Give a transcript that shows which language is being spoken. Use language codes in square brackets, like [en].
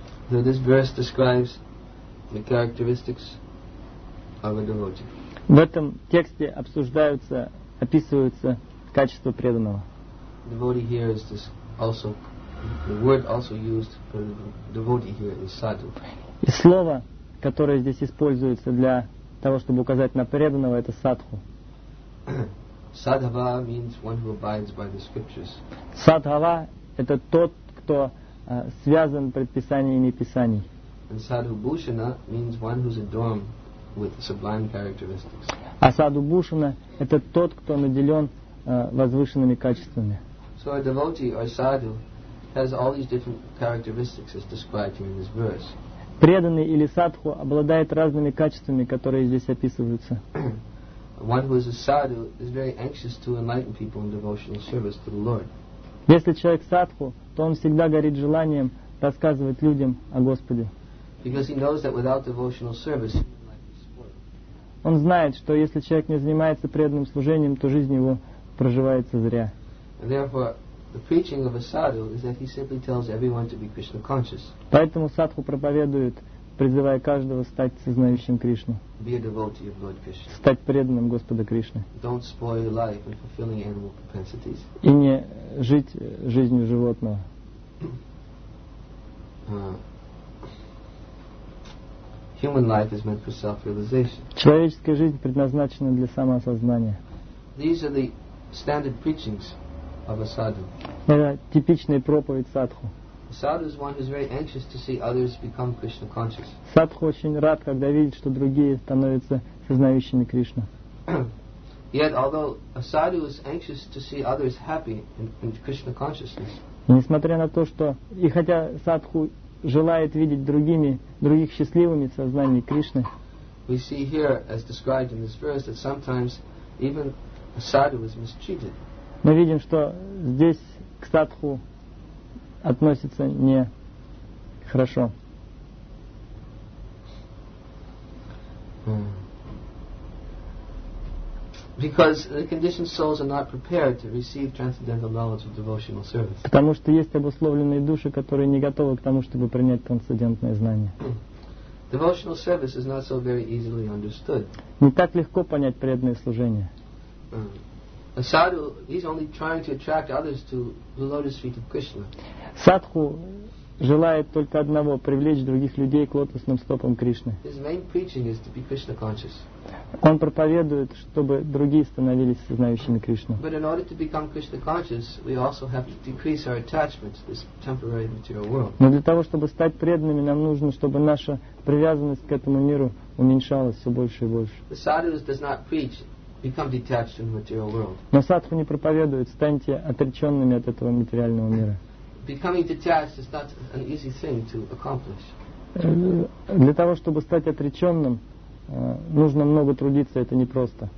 [en] So this verse describes the characteristics of a devotee. [ru] В этом тексте обсуждаются описывается качество преданного. [en] Devotee here is this also the word also used for devotee here is sadhu. [ru] И слово, которое здесь используется для того, чтобы указать на преданного, это садху. [en] Sadhava means one who abides by the scriptures. [ru] Sadhava это тот, кто связан предписаниями писаний. [en] And sadhu bhushana means one who's adorned with sublime characteristics. [ru] А саду бушана это тот, кто наделен возвышенными качествами. [en] So a devotee or sadhu has all these different characteristics as described here in this verse. [ru] Преданный или садху обладает разными качествами, которые здесь описываются. [en] One who is a sadhu is very anxious to enlighten people in devotional service to the Lord. [ru] Если человек садху, то он всегда горит желанием рассказывать людям о Господе. [en] Because he knows that without devotional service, he would like to spoil. [ru] Он знает, что если человек не занимается преданным служением, то жизнь его проживается зря. [en] And therefore, the preaching of a sadhu is that he simply tells everyone to be Krishna conscious. [ru] Поэтому садху проповедует, призывая каждого стать сознающим Кришну. [en] Be a devotee of Lord Krishna. [ru] Стать преданным Господа Кришны. [en] Don't spoil your life in fulfilling animal propensities. [ru] И не жить жизнью животного. [en] Human life is meant for self-realization. [ru] Человеческая жизнь предназначена для самоосознания. [en] These are the standard preachings of a sadhu. [ru] Это типичная проповедь садху. [en] Sadhu is one who is very anxious to see others become Krishna conscious. [ru] Садху очень рад, когда видит, что другие становятся сознающими Кришну. [en] Yet, although a sadhu is anxious to see others happy in Krishna consciousness. [ru] Несмотря на то, что и хотя садху желает видеть других счастливыми в сознании Кришны. [en] We see here, as described in this verse, that sometimes even a sadhu is mistreated. [ru] Мы видим, что здесь к садху относится не хорошо. [en] Because the conditioned souls are not prepared to receive transcendental knowledge of devotional service. [ru] Потому что есть обусловленные души, которые не готовы к тому, чтобы принять трансцендентное знание. [en] Devotional service is not so very easily understood. [ru] Не так легко понять преданное служение. [en] A sadhu, he's only trying to attract others to the lotus feet of Krishna. [ru] Садху желает только одного – привлечь других людей к лотосным стопам Кришны. [en] His main preaching is to be Krishna conscious. [ru] Он проповедует, чтобы другие становились сознающими Кришну. [en] But in order to become Krishna conscious, we also have to decrease our attachment to this temporary material world. [ru] Но для того, чтобы стать преданными, нам нужно, чтобы наша привязанность к этому миру уменьшалась все больше и больше. [en] The sadhu does not preach, become detached from the material world. [ru] Но садху не проповедует, станьте отреченными от этого материального мира. [en] Becoming detached is not an easy thing to accomplish. [ru] Для того, чтобы стать отреченным, нужно много трудиться, это непросто.